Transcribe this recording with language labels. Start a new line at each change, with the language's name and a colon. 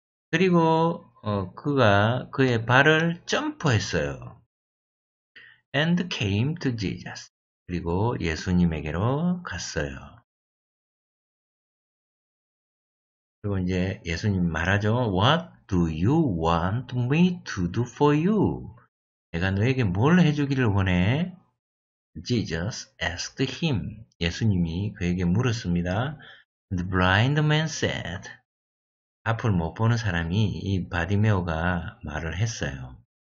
Korean: 그리고 그가 그의 발을 점프했어요.
English: And came to Jesus.
Korean: 그리고 예수님에게로 갔어요. 그리고 이제 예수님 말하죠.
English: What do you want me to do for you?
Korean: 내가 너에게 뭘 해주기를 원해?
English: Jesus asked him.
Korean: 예수님이 그에게 물었습니다.
English: The blind man said.
Korean: 앞을 못 보는 사람이 이 바디메오가 말을 했어요.